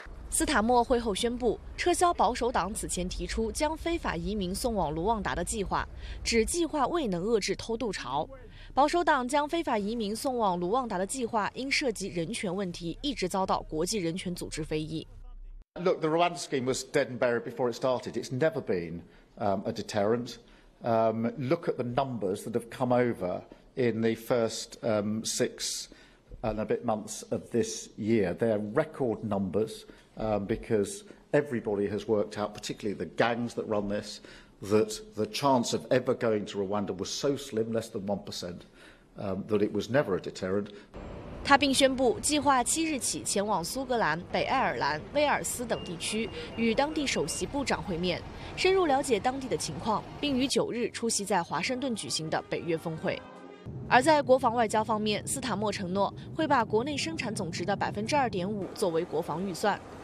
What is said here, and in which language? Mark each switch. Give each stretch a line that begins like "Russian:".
Chinese: 斯塔默会后宣布撤销保守党此前提出将非法移民送往卢旺达的计划，指计划未能遏制偷渡潮。保守党将非法移民送往卢旺达的计划因涉及人权问题一直遭到国际人权组织非议。
English: Look, the Rwanda scheme was dead and buried before it started. It's never beena deterrent. Look at the numbers that have come over in the first six and a bit months of this year. They're record numbers because everybody has worked out, particularly the gangs that run this, that the chance of ever going to Rwanda was so slim, less than 1%, that it was never a deterrent.
Chinese: 他并宣布计划7日起前往苏格兰、北爱尔兰、威尔斯等地区与当地首席部长会面，深入了解当地的情况，并于9日出席在华盛顿举行的北约峰会。而在国防外交方面，斯塔默承诺会把国内生产总值的2.5%作为国防预算。